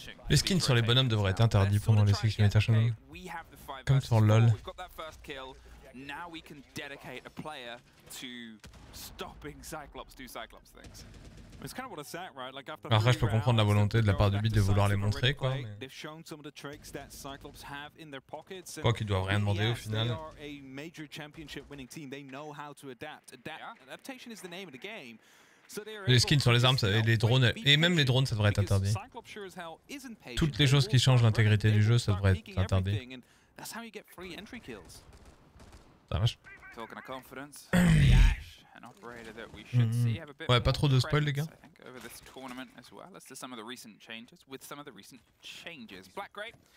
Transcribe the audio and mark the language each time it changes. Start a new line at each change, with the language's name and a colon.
French: Les skins sur les bonhommes devraient être interdits pendant les 6 internationaux. Comme sur LOL.
English: Now we can dedicate a player to stopping Cyclops do Cyclops things. It's kind of what I said, right? Like after.
French: Après, je peux comprendre la volonté de la part du beat de vouloir les montrer, quoi.
English: They've shown some of the tricks that Cyclops have in their pockets.
French: Quoi qu'ils doivent rien demander au final.
English: They are a major championship winning team. They know how to adapt. Adaptation is the name of the game.
French: Les skins sur les armes et les drones, et même les drones, ça devrait être interdit. Toutes les choses qui changent l'intégrité du jeu, ça devrait être interdit. Ça marche.
English: Talking of confidence, Ash, an operator that we should see have a bit.
French: Ouais, pas trop de spoil, les gars.
English: Over this tournament as well as to some of the recent changes. With some of the recent changes, Black Grape.